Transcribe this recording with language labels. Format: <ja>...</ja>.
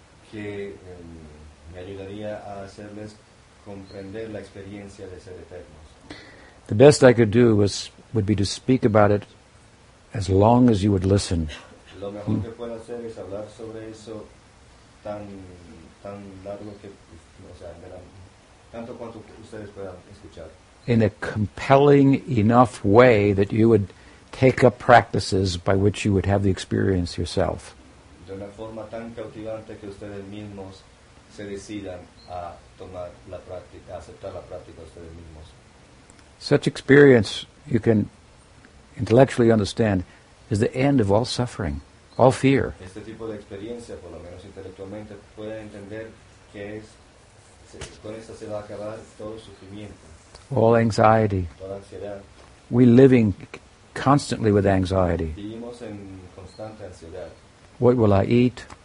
<es>Que me ayudaría a hacerles comprender la experiencia de ser eternos.</es> <en>The best I could do would be to speak about it as long as you would listen.</en> <es>Lo mejor que puedo hacer es hablar sobre eso tan largo que, o sea, tanto cuanto ustedes puedan escuchar.</es> <en>in a compelling enough way that you would take up practices by which you would have the experience yourself.</en> <es>De una forma tan cautivante que ustedes mismos se decidan a tomar la práctica, a aceptar la práctica ustedes mismos.</es> <en>Such experience, you can intellectually understand, is the end of all suffering, all fear.</en> <es>Este tipo de experiencia, por lo menos intelectualmente, puede entender que es, con esta se va a acabar todo sufrimiento.</es> <en>All anxiety.</en> <es>Toda ansiedad.</es> <en>We living constantly with anxiety.</en> <es>Vivimos en constante ansiedad.</es> <en>What will I eat?</en>